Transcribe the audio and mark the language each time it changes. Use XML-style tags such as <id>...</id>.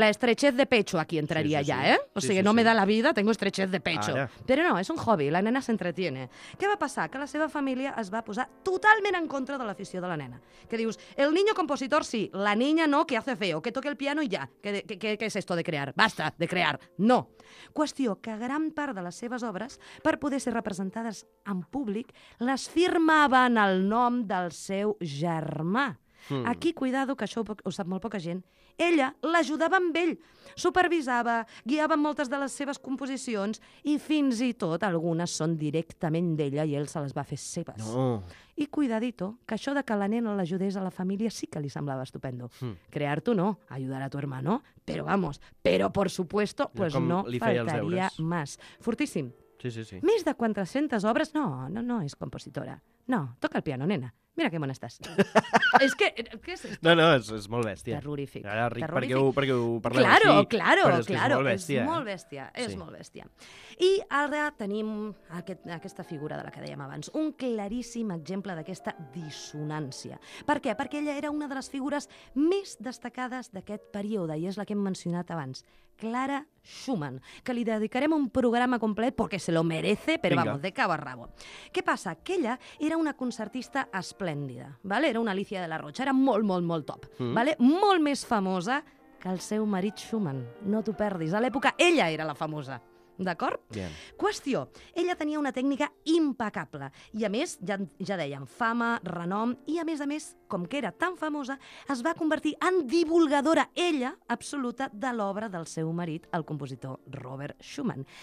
<es>La estrechez de pecho aquí entraria sí. No me da la vida, tengo estrechez de pecho.</es> <ca>Ara. Però no, és un hobby, la nena s'entretiene. Què va passar? Que la seva família es va posar totalment en contra de l'afició de la nena.</ca> <es>Que dius, el niño compositor sí, la niña no, que hace feo, que toque el piano y ya. ¿Qué es esto de crear? Basta de crear. No.</es> <ca>Qüestió que gran part de les seves obres, per poder ser representades en públic, les firmaven el nom del seu germà. Hmm. Aquí, cuidado, que això ho sap molt poca gent. Ella l'ajudava amb ell, supervisava, guiava moltes de les seves composicions i fins i tot algunes són directament d'ella i ell se les va fer seves. No. I cuidadito, que això de que la nena l'ajudés a la família sí que li semblava estupendo. Hmm.</ca> <es>Crear-t'ho no, ajudar a tu hermano, pero vamos, pero por supuesto, pues no faltaria más.</es> <ca>Fortíssim. Sí, sí, sí. Més de 400 obres, no és compositora. No, toca el piano, nena. Mira que bona estàs. És que... Què és això? No, és molt bèstia. Terrorífic. Ara, Ric, perquè ho parlem</ca> <es>claro,</es> <ca>així.</ca> <es>Claro,</es> <ca>però és</ca> <es>claro.</es> <ca>És molt bèstia. És molt bèstia. És molt bèstia. I ara tenim aquesta figura de la que dèiem abans. Un claríssim exemple d'aquesta dissonància. Per què? Perquè ella era una de les figures més destacades d'aquest període i és la que hem mencionat abans. Clara Schumann, que li dedicarem un programa complet perquè se lo merece, però vamos, de cabo a rabo. Què passa? Que ella era una concertista esplèndida, ¿vale? Era una Alicia de la Rocha, era molt, molt, molt top, ¿vale? Molt més famosa que el seu marit Schumann, no t'ho perdis. A l'època ella era la famosa. D'acord?</ca> <es>Bien.</es> <ca>Qüestió. Ella tenia una tècnica impecable. I a més, ja dèiem, fama, renom... I a més, com que era tan famosa, es va convertir en divulgadora, ella, absoluta, de l'obra del seu marit, el compositor Robert Schumann.</ca>